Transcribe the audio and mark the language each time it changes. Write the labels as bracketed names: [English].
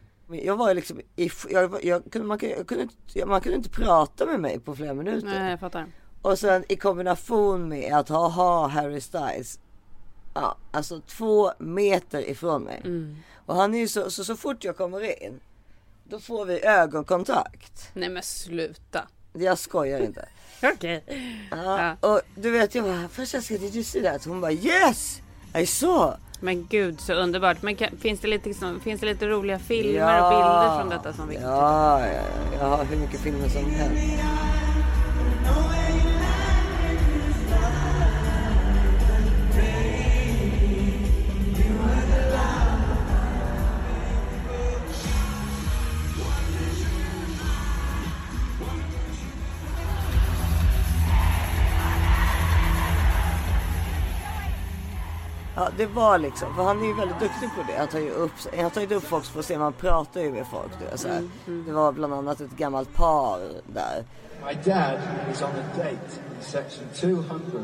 [Swedish] Jag var liksom man kunde inte prata med mig på flera minuter. Nej, jag fattar. Och sen i kombination med att ha Harry Styles, ja, alltså 2 meter ifrån mig. Och han är ju så fort jag kommer in, då får vi ögonkontakt. Nej, men sluta. Jag skojar inte. Okej. Ja. Och du vet, jag bara, Francesca, [English] did you see that? [Swedish] Hon bara, [English] yes, I saw. [Swedish] Men gud, så underbart. Men finns det lite roliga filmer och bilder från detta som vi kan titta på? Ja, jag har hur mycket filmer som helst. Ja, det var liksom, för han är ju väldigt duktig på det. Jag tar ju upp folk för att se, man pratar ju med folk. Du, så här. Det var bland annat ett gammalt par där. [English] My dad is on a date in section 200.